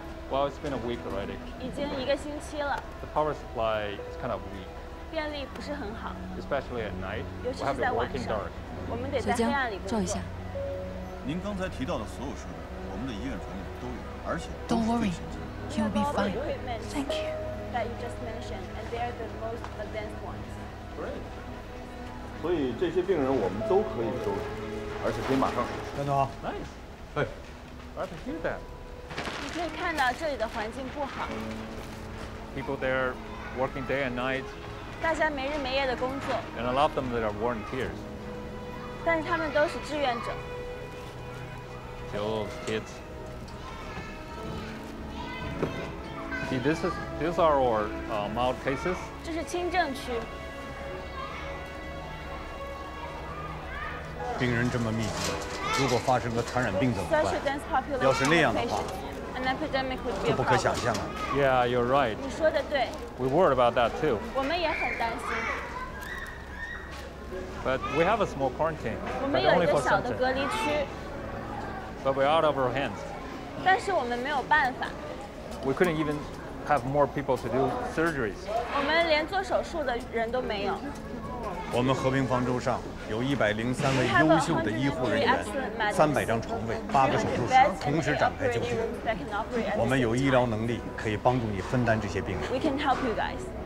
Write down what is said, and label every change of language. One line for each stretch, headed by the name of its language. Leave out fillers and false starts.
English: Well, it's been a week already.
Chinese: 已经一个星期了。
English: The power supply is kind of weak.
Chinese: 电力不是很好。
English: Especially at night.
Chinese: 尤其是在晚上。我们得在黑暗里工作。照一下。您刚才提到的所有设备，我们的医院船里都有。
English: Don't worry, you'll be fine. Thank you. That you just mentioned, and they are the most advanced ones. Great.
Chinese: 所以这些病人我们都可以收治，而且可以马上手术。张总
English: ，Nice. Hey, I can hear that.
Chinese: 你可以看到这里的环境不好。
English: People there working day and night.
Chinese: 大家没日没夜的工作。
English: And a lot of them that are volunteers.
Chinese: 但是他们都是志愿者。
English: Still kids. See, these are our mild cases.
Chinese: 这是轻症区。病人这么密集，如果发生个传染病怎么办？
English: Such a dense population.
Chinese: 要是那样的话，
English: an epidemic would be a problem.
Chinese: 不可想象啊。
English: Yeah, you're right.
Chinese: 你说的对。
English: We worried about that too.
Chinese: 我们也很担心。
English: But we have a small quarantine.
Chinese: 我们有一个小的隔离区。
English: But we're out of our hands.
Chinese: 但是我们没有办法。
English: We couldn't even have more people to do surgeries.
Chinese: 我们连做手术的人都没有。我们和平方舟上有103位优秀的医护人员，300张床位，8个手术室，同时展开救治。我们有医疗能力，可以帮助你分担这些病人。
English: We can help you guys.